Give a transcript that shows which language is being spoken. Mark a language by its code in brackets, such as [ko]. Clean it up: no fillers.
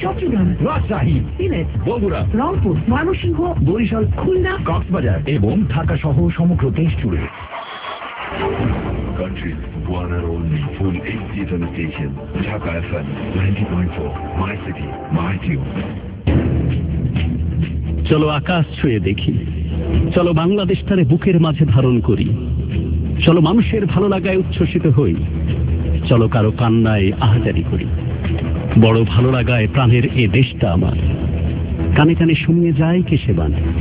[bn] চট্টগ্রাম, রাজশাহী, সিলেট, বগুড়া, রংপুর, ময়মনসিংহ, বরিশাল, খুলনা, কক্সবাজার এবং ঢাকা সহ সমগ্র দেশ জুড়ে। [en] Country's one and only full HD channel station, Dhaka FM 90.4, My City, My Tune. [bn] চলো আকাশ ছুঁয়ে দেখি, চলো বাংলাদেশ তারে বুকের মাঝে ধারণ করি, চলো মানুষের ভালো লাগায় উচ্ছ্বসিত হই, চলো কারো কান্নায় আহাজারি করি, বড় ভালো লাগায় প্রাণের এ দেশটা আমার, কানে কানে শুনিয়ে যায় কেসে বানে,